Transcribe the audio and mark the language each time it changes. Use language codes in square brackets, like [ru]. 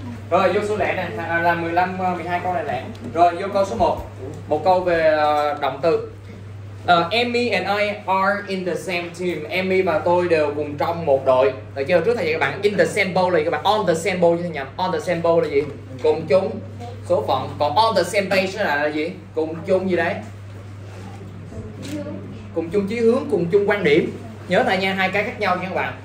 [vi] Rồi vô số lẻ nè, là 15, 12 câu này lẻ. Rồi vô câu số 1. Một câu về động từ. [en] Emmy and I are in the same team. [vi] Emmy và tôi đều cùng trong một đội. Được chưa? Trước thầy dạy các bạn [en] in the same boat [vi] là gì các bạn? [en] On the same boat [vi] như thế nhầm. On the same boat là gì? Cùng chung số phận. Còn [en] on the same page [vi] là gì? Cùng chung gì đấy? Cùng chung chí hướng, cùng chung quan điểm. Nhớ thầy nha, hai cái khác nhau nha các bạn.